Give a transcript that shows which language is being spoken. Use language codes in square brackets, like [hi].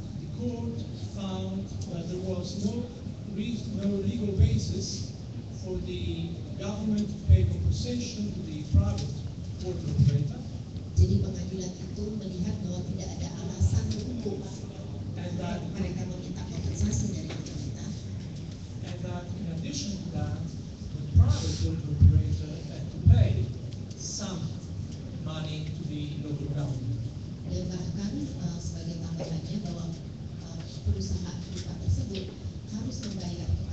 [en] the court found that there was no legal basis for the government to pay compensation to the private water operator. [id] Jadi pengadilan itu melihat bahwa tidak ada alasan hukum dan mereka meminta kompensasi dari pemerintah. [en] And that in addition to that, the private water operator had to pay some money to the local government. [id] Dan bahkan sebagai tambahannya bahwa perusahaan privat tersebut harus membayar.